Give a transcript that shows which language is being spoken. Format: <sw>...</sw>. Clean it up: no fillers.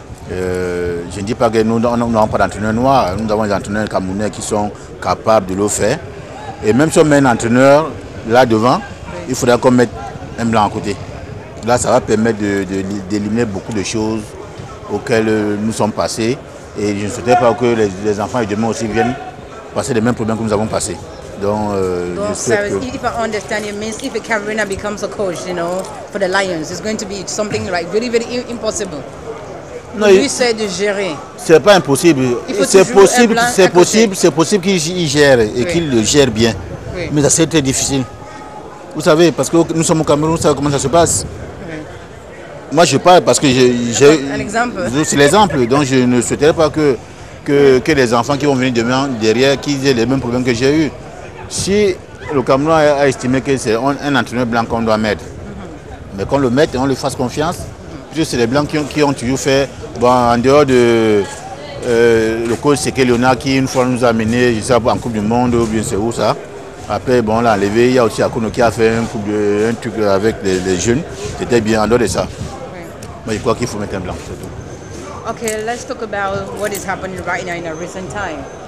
<fr>Je ne dis pas que nous n'avons pas d'entraîneur noir. Nous avons des entraîneurs camerounais qui sont capables de le faire. Et même si on met un entraîneur là devant, il faudra qu'on mette un blanc à côté. Là, ça va permettre d'éliminer beaucoup de choses auxquelles nous sommes passés. Et je ne souhaitais pas que les enfants et demain aussi viennent passer les mêmes problèmes que nous avons passés.</fr> <en>If I understand, it means if a Cameroonian becomes a coach, you know, for the Lions, it's going to be something like very, very impossible.</en> <fr>Non, il essaie de gérer. C'est pas impossible. C'est possible qu'il gère et oui. Qu'il le gère bien. Oui. Mais c'est très difficile. Vous savez, parce que nous sommes au Cameroun, vous savez comment ça se passe. Moi, je parle parce que j'ai un exemple. C'est l'exemple. Donc, je ne souhaiterais pas que les enfants qui vont venir demain derrière qu'ils aient les mêmes problèmes que j'ai eu. Si le Cameroun a estimé que c'est un entraîneur blanc qu'on doit mettre, mais qu'on le mette et on lui fasse confiance, puisque c'est les blancs qui ont toujours fait, bon, en dehors de le coach Seke Leonard qui, une fois, nous a amené, je sais pas, en Coupe du Monde ou bien c'est où ça. Après, bon, on l'a enlevé. Il y a aussi Akuno qui a fait un truc avec les jeunes. C'était bien en dehors de ça. Mais je crois qu'il faut mettre un blanc, c'est tout.</fr> <en>Ok, let's talk about what is happening right now in a recent time.</en>